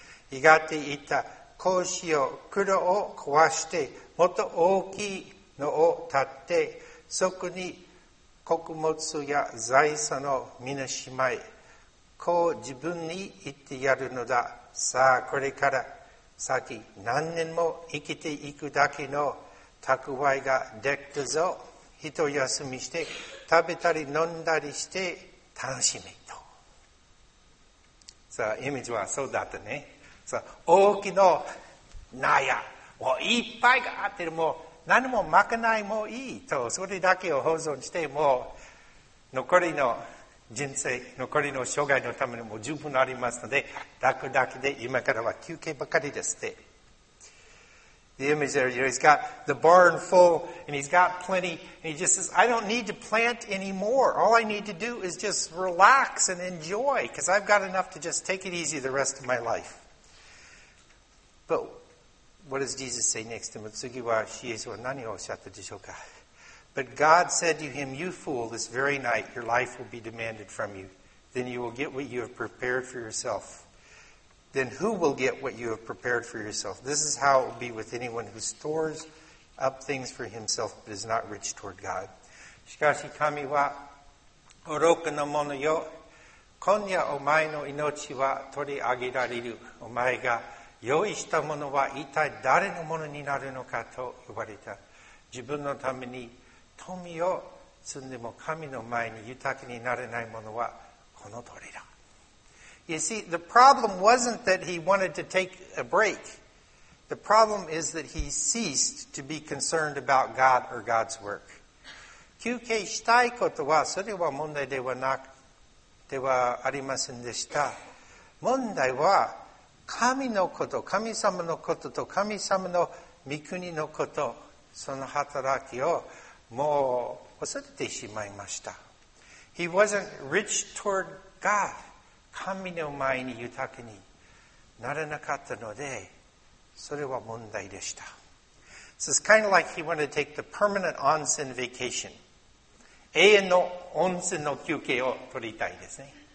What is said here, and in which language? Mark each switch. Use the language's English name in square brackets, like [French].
[Japanese] やがて言った、こうしよう、蔵を壊して、もっと大きいのを建て、そこに穀物や財産を皆しまい、こう自分に言ってやるのだ。さあこれから先何年も生きていくだけの蓄えができたぞ。一休みして食べたり飲んだりして楽しめと。さあイメージはそうだったね。さあ大きな納屋をいっぱいがあってもう何もまかないもいいと、それだけを保存して、もう残りの人生、残りの生涯のためにも十分ありますので、楽だけで今からは休憩ばかりですって。 [English] The image there, you know, he's got the barn full and he's got plenty and he just says, I don't need to plant anymore. All I need to do is just relax and enjoy because I've got enough to just take it easy the rest of my life. But,What does Jesus say next? [Japanese] And 次はイエスは何をおっしゃったでしょうか? [English] But God said to him, you fool, this very night your life will be demanded from you. Then you will get what you have prepared for yourself. Then who will get what you have prepared for yourself? This is how it will be with anyone who stores up things for himself but is not rich toward God. [Japanese] しかし神は愚かなものよ。今夜お前の命は取り上げられる。お前が用意したものは一体誰のものになるのかと呼ばれた。自分のために富を積んでも神の前に豊かになれないものはこの通りだ。 [English] You see, the problem wasn't that he wanted to take a break. The problem is that he ceased to be concerned about God or God's work. [Japanese] 休憩したいことはそれは問題ではなくではありませんでした。問題は神のこと、神様のことと神様の御国のこと、その働きをもう恐れてしまいました。 [English] He wasn't rich toward God. [Japanese] 神の前に豊かにならなかったので、それは問題でした。 [English] So it's kind of like he wanted to take the permanent onsen vacation. [Japanese] 永遠の温泉の休憩を取りたいですね。